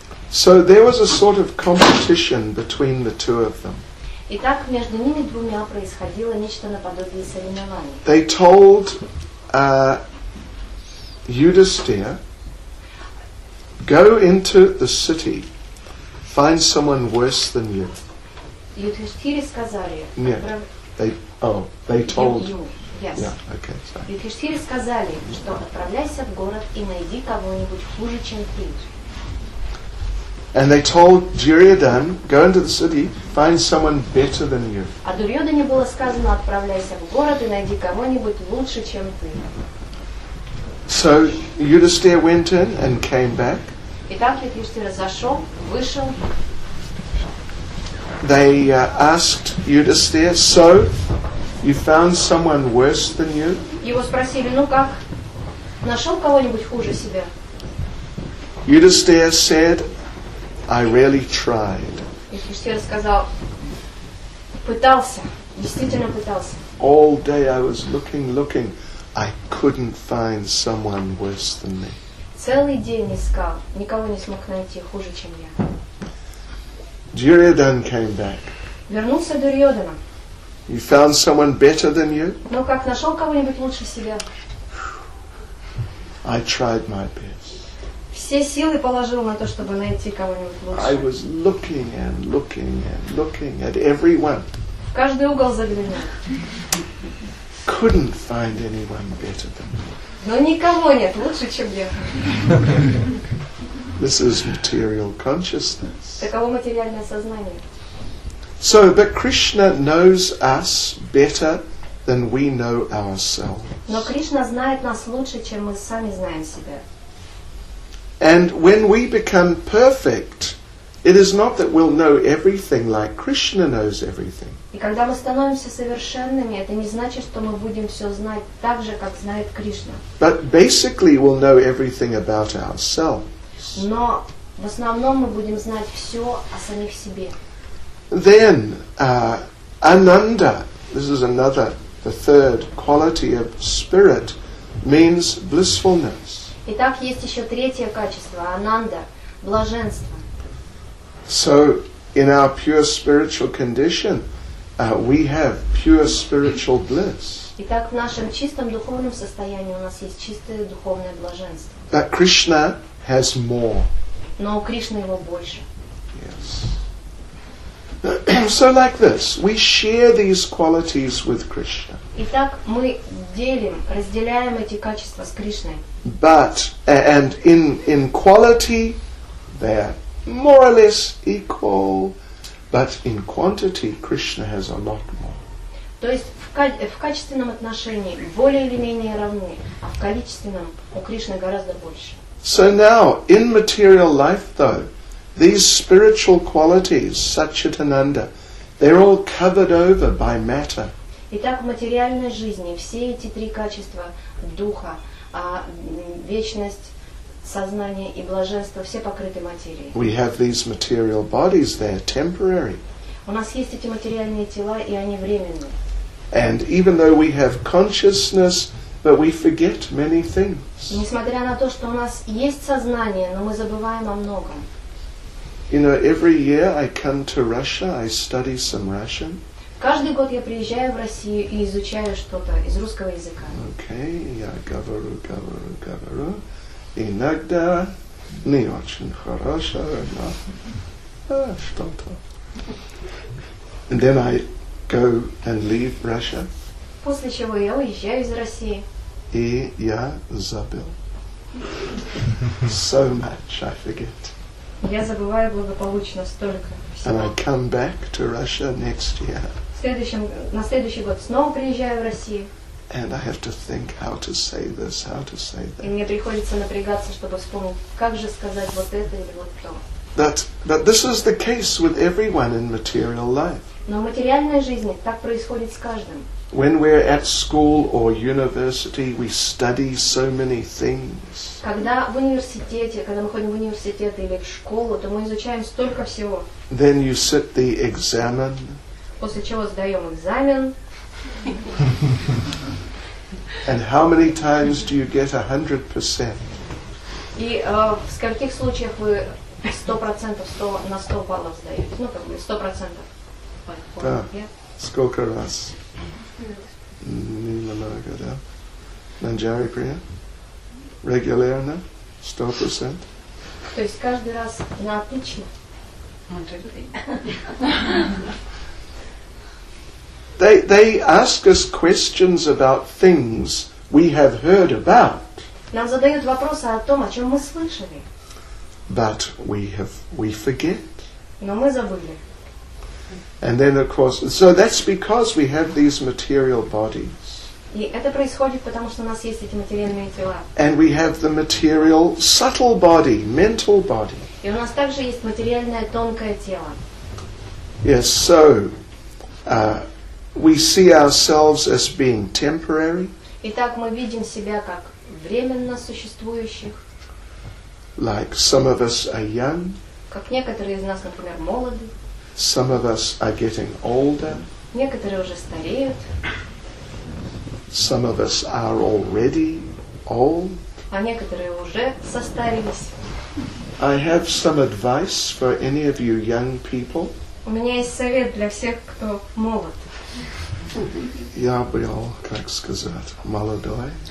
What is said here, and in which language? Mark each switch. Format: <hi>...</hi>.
<en>So there was a sort of competition between the two of them.</en> <ru>Итак, между ними двумя происходило нечто наподобие соревнования.</ru> <en>They told Yudhisthira, go into the city, find someone worse than you.</en> <ru>Юдхиштхире сказали. Нет.</ru> <en>They told. Yes. Yeah. Okay. Sorry.</en> <ru>Юдхиштхире сказали, что отправляйся в город и найди кого-нибудь хуже, чем ты.</ru> <en>And they told Duryodhana, go into the city, find someone better than you.</en> <ru>А Дурьёдхане было сказано, отправляйся в город и найди кого-нибудь лучше, чем ты.</ru> <en>So Yudhisthira went in and came back.</en> <ru>Итак, Юдхиштхира зашел, вышел.</ru> <en>They asked Yudhisthira, so you found someone worse than you?</en> <ru>Его спросили, ну как, нашел кого-нибудь хуже себя?</ru> <en>Yudhisthira said, I really tried.</en> <ru>Yudhisthira сказал, пытался, действительно пытался.</ru> <en>All day I was looking, I couldn't find someone worse than me.</en> <ru>Целый день искал, никого не смог найти хуже, чем я.</ru> <en>Duryodhana came back.</en> <ru>Вернулся Дурьёдхана.</ru> <en>You found someone better than you?</en> <ru>Ну как, нашел кого-нибудь лучше себя?</ru> <en>I tried my best.</en> <ru>Все силы положил на то, чтобы найти кого-нибудь лучше.</ru> <en>I was looking at everyone.</en> <ru>В каждый угол заглянул.</ru> <en>Couldn't find anyone better than me.</en> <ru>Но никого нет лучше, чем я.</ru> <en>This is material consciousness.</en> <ru>Таково материальное сознание.</ru> <en>So, but Krishna knows us better than we know ourselves.</en> <ru>Но Кришна знает нас лучше, чем мы сами знаем себя.</ru> <en>And when we become perfect, it is not that we'll know everything like Krishna knows everything.</en> <ru>И когда мы становимся совершенными, это не значит, что мы будем все знать так же, как знает Кришна.</ru> <en>But basically, we'll know everything about ourselves.</en> <ru>Но в основном мы будем знать все о самих себе.</ru> <en>Then, Ananda, this is another, the third quality of spirit, means blissfulness.</en> <ru>Итак, есть еще третье качество, Ананда, блаженство.</ru> <en>So in our pure spiritual condition, we have pure spiritual bliss.</en> <ru>Итак, в нашем чистом духовном состоянии у нас есть чистое духовное блаженство.</ru> <en>But Krishna has more.</en> <ru>Но у Кришны его больше.</ru> <en>Yes. So like this, we share these qualities with Krishna.</en> <ru>Итак, мы делим, разделяем эти качества с Кришной.</ru> <en>But and in quality, they are more or less equal. But in quantity, Krishna has a lot more.</en> <ru>То есть в качественном отношении более или менее равны, а в количественном у Кришны гораздо больше.</ru> <en>So now, in material life, though, these spiritual qualities, Satchitananda, they're all covered over by matter.</en> <ru>Итак, в материальной жизни все эти три качества духа, вечность, сознание и блаженство, все покрыты материей.</ru> <en>We have these material bodies, they're temporary.</en> <ru>У нас есть эти материальные тела, и они временные.</ru> <en>And even though we have consciousness, but we forget many things.</en> <ru>Несмотря на то, что у нас есть сознание, но мы забываем о многом.</ru> <en>You know, every year I come to Russia, I study some Russian.</en> <ru>Каждый год я приезжаю в Россию и изучаю что-то из русского языка. Okay, я говорю. Иногда не очень хорошо, но что-то.</ru> <en>And then I go and leave Russia.</en> <ru>После чего я уезжаю из России. И я забыл.</ru> <en>So much I forget.</en> <ru>Я забываю благополучно столько.</ru> <en>And I come back to Russia next year.</en> <ru>На следующий год снова приезжаю в Россию.</ru> <en>And I have to think how to say this, how to say that.</en> <ru>И мне приходится напрягаться, чтобы вспомнить, как же сказать вот это или вот то.</ru> <en>But this is the case with everyone in material life.</en> <ru>Но в материальной жизни так происходит с каждым.</ru> <en>When we're at school or university, we study so many things.</en> <ru>Когда в университете, когда мы ходим в университет или в школу, то мы изучаем столько всего.</ru> <en>Then you sit the exam.</en> <ru>После чего сдаем экзамен.</ru> <en>And how many times do you get 100%?</en> <ru>И в скольких случаях вы 100%, 100 на 100 баллов сдаете? Ну, как бы 100%. Да. Сколько раз? Немного, да? Нанджари Прия? Регулярно? 100%? То есть каждый раз на отлично?</ru> <en>They ask us questions about things we have heard about.</en> <ru>Нам задают вопросы о том, о чем мы слышали.</ru> <en>But we forget.</en> <ru>Но мы забыли.</ru> <en>And then, of course, so that's because we have these material bodies.</en> <ru>И это происходит потому, что у нас есть эти материальные тела.</ru> <en>And we have the material subtle body, mental body.</en> <ru>И у нас также есть материальное тонкое тело.</ru> <en>Yes, so we see ourselves as being temporary.</en> <ru>Итак, мы видим себя как временно существующих.</ru> <en>Like some of us are young.</en> <ru>Как некоторые из нас, например, молоды.</ru> <en>Some of us are getting older.</en> <ru>Некоторые уже стареют.</ru> <en>Some of us are already old.</en> <ru>А некоторые уже состарились.</ru> <en>I have some advice for any of you young people.</en> <ru>У меня есть совет для всех, кто молод. Я был, как сказать, молодой.</ru>